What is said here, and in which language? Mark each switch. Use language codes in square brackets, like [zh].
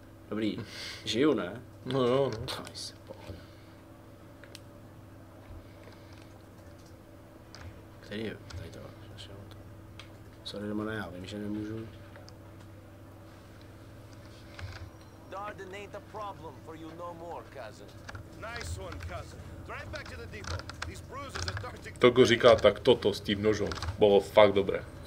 [cs] Dobrý, žiju, ne? No jo, no. [en] Nice. [cs] Který je tady to? Sorry, Romane, já vím, že nemůžu. [en] Darden ain't a problem for you no more, cousin. Nice one, cousin. Drive back to the depot. These bruises are starting to... [cs] Toko říká, tak toto s tím nožem bylo fakt dobré.